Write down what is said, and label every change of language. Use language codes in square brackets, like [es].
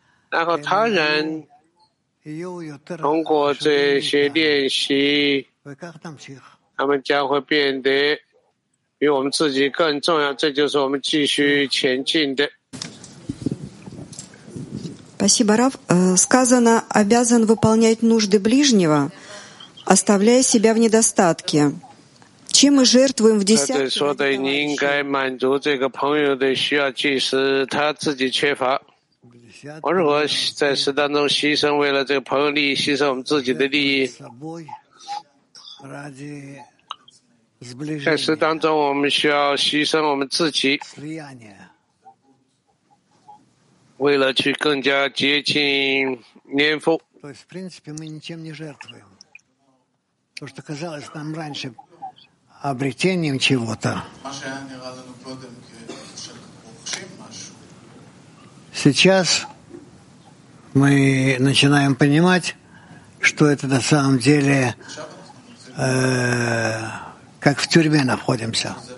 [zh] 然后他人通过这些练习，他们将会变得比我们自己更重要，这就是我们继续前进的。 [ru] Спасибо, Рав. Сказано, обязан выполнять нужды ближнего, оставляя себя в недостатке. Чем мы жертвуем в десятке? [zh] 我如果在十当中牺牲为了这个朋友利益，牺牲我们自己的利益，在十当中我们需要牺牲我们自己，为了去更加接近念佛。 [ru] То есть, в принципе, мы ничем не жертвуем. То, что казалось нам раньше обретением чего-то. Сейчас мы начинаем понимать, что это на самом деле как в тюрьме находимся.